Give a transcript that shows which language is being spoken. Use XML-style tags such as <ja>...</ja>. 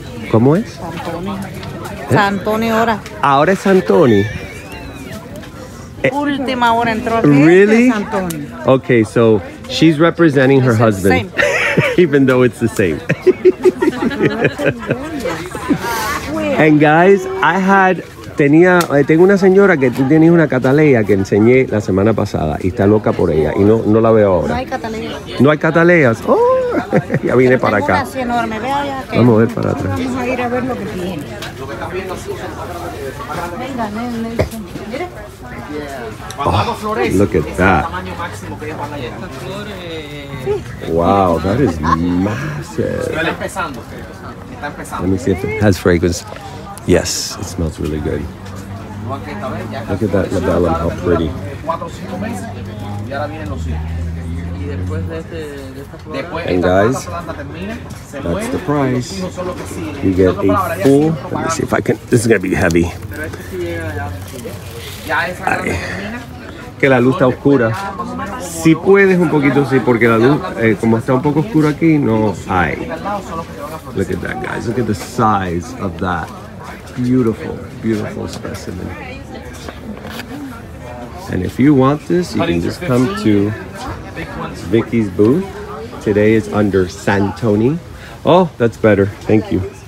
<es>¿Cómo es? Santoni ahora. Ahora es Santoni. Última hora entró.</es> <en>Really? Okay, so she's representing her husband, even though it's the same. And guys, I had...</en> <es>Tengo una señora que tú tienes una cataleya que enseñé la semana pasada y está loca por ella y no la veo ahora. No hay cataleya. No hay cataleyas. Oh, ya vine pero para acá. Una así enorme. Vea ya que vamos a ver para atrás. Vamos a ir a ver lo que tiene. Venga, Nelson. Mire.</es> <en>Oh, look at that. Wow, that is massive. Let me see if it has fragrance. Yes, it smells really good. Look at that labellum, how pretty. And guys, that's the price. You get a full, let me see if I can, this is gonna be heavy.</en> <es>Ay. Que la luz está oscura. Si puedes un poquito, sí, porque la luz, como está un poco oscura aquí, no hay.</es> <en>Look at that, guys, look at the size of that. Beautiful, beautiful specimen. And if you want this, you can just come to Vicky's booth. Today is under Santoni. Oh, that's better. Thank you.</en>